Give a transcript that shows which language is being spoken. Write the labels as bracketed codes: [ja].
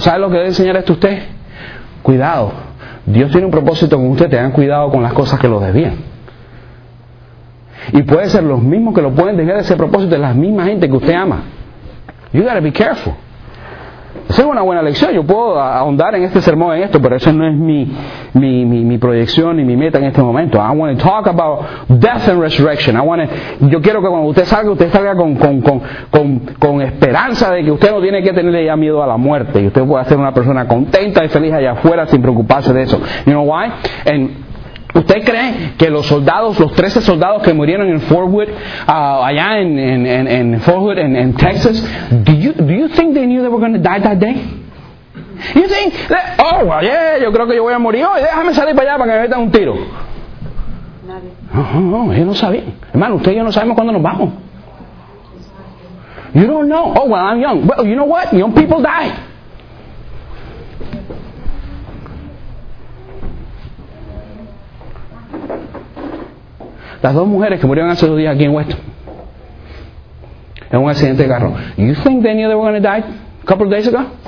[es] ¿Sabe lo que debe enseñar esto a usted? Cuidado. Dios tiene un propósito con usted, tengan cuidado con las cosas que lo desvían. Y puede ser los mismos que lo pueden desviar de ese propósito, de la misma gente que usted ama. [en] You gotta be careful. [es] Esa es una buena lección. Yo puedo ahondar en este sermón en esto, pero eso no es mi proyección y mi meta en este momento. [en] I want to talk about death and resurrection. [es] Yo quiero que cuando usted salga con esperanza de que usted no tiene que tenerle ya miedo a la muerte, y usted puede ser una persona contenta y feliz allá afuera sin preocuparse de eso. [en] You know why? And [es] ¿usted cree que los soldados, los 13 soldados que murieron en Fort Hood, allá en Fort Hood, en Texas, [en] do you think they knew they were going to die that day? You think that, [es] yo creo que yo voy a morir hoy, déjame salir para allá para que me metan un tiro. Nadie. No, ellos no saben. Hermano, usted y yo no sabemos cuándo nos vamos. [en] You don't know. Oh, well, I'm young. Well, you know what? Young people die. [es] Las dos mujeres que murieron hace 2 días aquí en Weston en un accidente de carro. [en] You think they knew they were going to die a couple of days ago?